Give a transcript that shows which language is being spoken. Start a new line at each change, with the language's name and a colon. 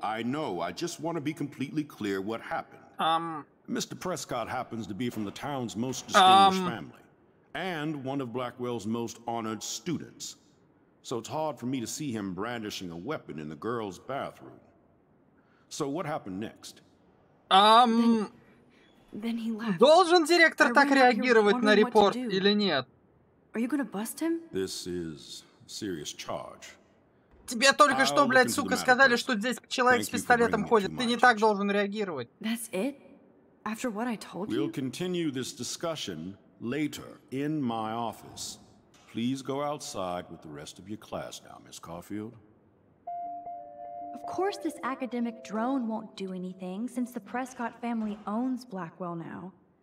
English: I just want to be completely clear what happened. Mr. Prescott happens to be from the town's most distinguished family and one of Blackwell's most honored students. So it's hard for me to see him brandishing a weapon in the girls' bathroom. So what happened next? Then he left.
Russian: Должен директор так реагировать на репорт или нет?
English: Are you gonna bust him? This is serious charge.
Russian: Тебе только что, блядь, сука, сказали, что здесь человек с пистолетом ходит. Ты не так должен реагировать.
English: That's it? After what I told you? We'll continue this discussion later in my office. Please go outside with the rest of your class now, Miss Caulfield. Of course this academic drone won't do anything, since the Prescott family owns Blackwell now.